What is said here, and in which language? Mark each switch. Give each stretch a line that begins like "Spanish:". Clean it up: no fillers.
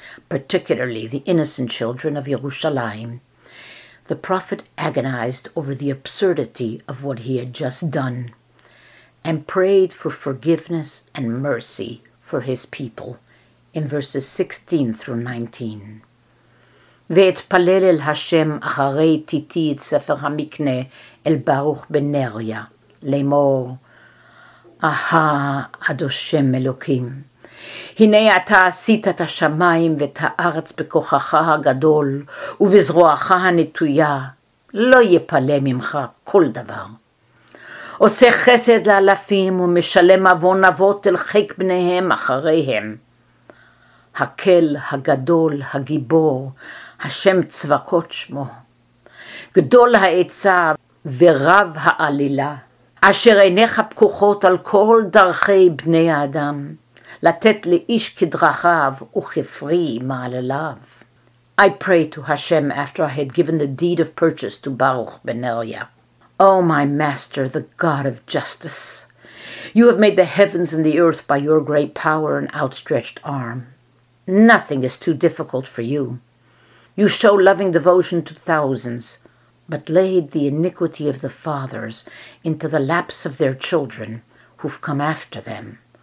English: particularly the innocent children of Yerushalayim. The prophet agonized over the absurdity of what he had just done and prayed for forgiveness and mercy for his people in verses 16 through 19.
Hebrew: ואתפלל אל השם אחרי תיתי את ספר המקנה אל ברוך בן נריה, לאמור, אהה, עד השם אלוקים, הנה אתה עשית את השמיים ואת הארץ בכוחך הגדול ובזרועך הנטויה, לא יפלא ממך כל דבר. עושה חסד לאלפים ומשלם עוון אבות אל חיק בניהם אחריהם. הקל הגדול הגיבור, השם צבקות שמו, גדול העצה ורב העלילה, אשר עיניך פקוחות על כל דרכי בני האדם, לתת לאיש כדרכיו וכפרי מעלליו.
English: I pray to Hashem after I had given the deed of purchase to Baruch ben Neriah. O my master, the God of justice, you have made the heavens and the earth by your great power and outstretched arm. Nothing is too difficult for you. You show loving devotion to thousands, but laid the iniquity of the fathers into the laps of their children who've come after them.